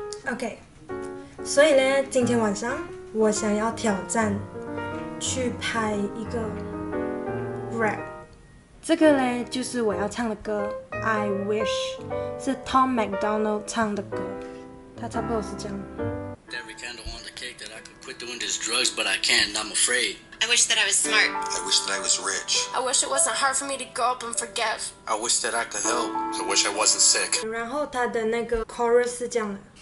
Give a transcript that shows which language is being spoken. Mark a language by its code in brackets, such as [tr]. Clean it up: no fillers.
[zh] OK， 所以呢，今天晚上我想要挑战去拍一个 rap， 这个呢就是我要唱的歌 ，I Wish， 是 Tom McDonald 唱的歌，他差不多是这样。 [en] Every kind of wanted a cake that I could quit doing these drugs, but I can't. I'm afraid. I wish that I was smart. I wish that I was rich. I wish it wasn't hard for me to grow up and forget. I wish that I could help. I wish I wasn't sick. [zh] 然后他的那个 chorus 是这样的。